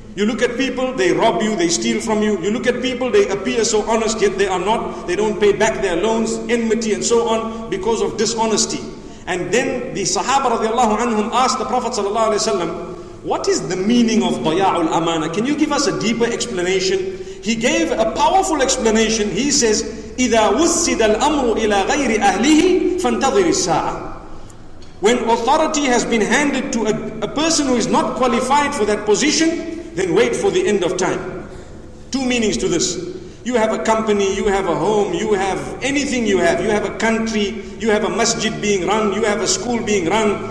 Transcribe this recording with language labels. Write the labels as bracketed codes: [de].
[en] You look at people, they rob you, they steal from you. You look at people, they appear so honest, yet they are not. They don't pay back their loans, enmity and so on, because of dishonesty. And then the Sahaba radiallahu anhum asked the Prophet sallallahu alaihi wasallam, what is the meaning of daya'ul amana? Can you give us a deeper explanation? He gave a powerful explanation. He says, [ar] إِذَا وُسِّدَ الْأَمْرُ إِلَىٰ غَيْرِ أَهْلِهِ فَانْتَظِرِ السَّاعَةِ. [en] When authority has been handed to a person who is not qualified for that position, then wait for the end of time. Two meanings to this. You have a company, you have a home, you have anything you have. You have a country, you have a masjid being run, you have a school being run.